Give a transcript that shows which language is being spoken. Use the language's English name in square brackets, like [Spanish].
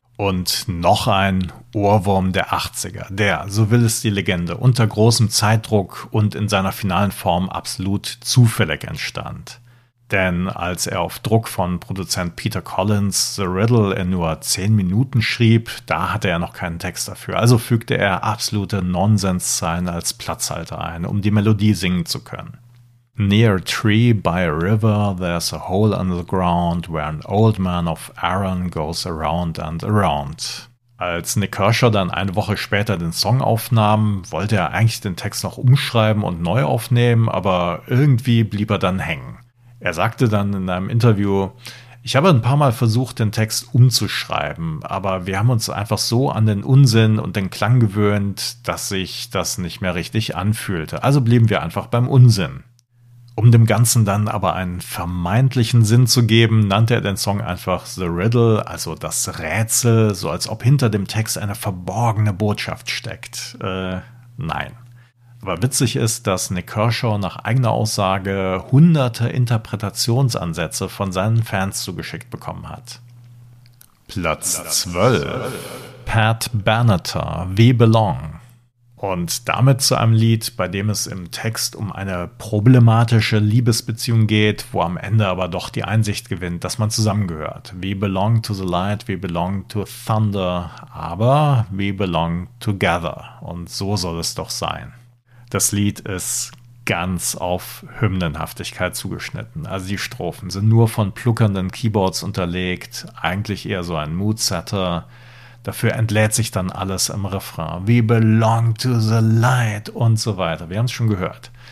[German] Und noch ein Ohrwurm der 80er, der, so will es die Legende, unter großem Zeitdruck und in seiner finalen Form absolut zufällig entstand. Denn als er auf Druck von Produzent Peter Collins The Riddle in nur 10 Minuten schrieb, da hatte er noch keinen Text dafür. Also fügte er absolute Nonsenszeilen als Platzhalter ein, um die Melodie singen zu können. [English] Near a tree by a river, there's a hole on the ground where an old man of Aaron goes around and around. [German] Als Nick Kershaw dann eine Woche später den Song aufnahm, wollte er eigentlich den Text noch umschreiben und neu aufnehmen, aber irgendwie blieb er dann hängen. Er sagte dann in einem Interview, ich habe ein paar Mal versucht, den Text umzuschreiben, aber wir haben uns einfach so an den Unsinn und den Klang gewöhnt, dass sich das nicht mehr richtig anfühlte. Also blieben wir einfach beim Unsinn. Um dem Ganzen dann aber einen vermeintlichen Sinn zu geben, nannte er den Song einfach The Riddle, also das Rätsel, so als ob hinter dem Text eine verborgene Botschaft steckt. Nein. Aber witzig ist, dass Nick Kershaw nach eigener Aussage hunderte Interpretationsansätze von seinen Fans zugeschickt bekommen hat. Platz 12. Pat Benatar, We Belong. Und damit zu einem Lied, bei dem es im Text um eine problematische Liebesbeziehung geht, wo am Ende aber doch die Einsicht gewinnt, dass man zusammengehört. [English] We belong to the light, we belong to thunder, [German] aber [English] we belong together. [German] Und so soll es doch sein. Das Lied ist ganz auf Hymnenhaftigkeit zugeschnitten. Also die Strophen sind nur von pluckernden Keyboards unterlegt, eigentlich eher so ein Moodsetter. Dafür entlädt sich dann alles im Refrain. [English] We belong to the light [German] und so weiter. Wir haben es schon gehört.